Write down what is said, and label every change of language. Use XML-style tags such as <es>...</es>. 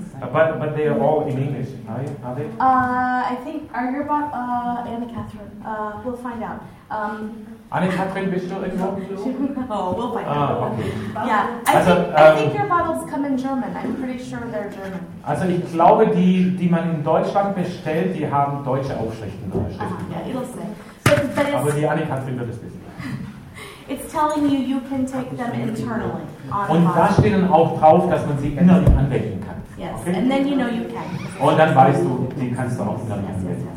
<en>But they are all in English, are they? I think, are your bot, Anne-Catherine, we'll find out.</en> <de>Anne-Catherine, bist du irgendwo?</de> <en>Oh, we'll find out. Yeah, I think your bottles come in German, I'm pretty sure they're German.</en> <de>Also ich glaube, die man in Deutschland bestellt, die haben deutsche Aufschriften.</de> <en>Yeah, it'll say.</en> <de>Aber die Anne-Catherine wird es wissen.</de> <en>It's telling you, you can take them internally.</en> <de>Und da steht dann auch drauf, dass man sie innerlich anwenden kann.</de> <en>Yes, okay? And then you know you can.</en> <de>Und dann weißt du, den kannst du auch innerlich anwenden.</de>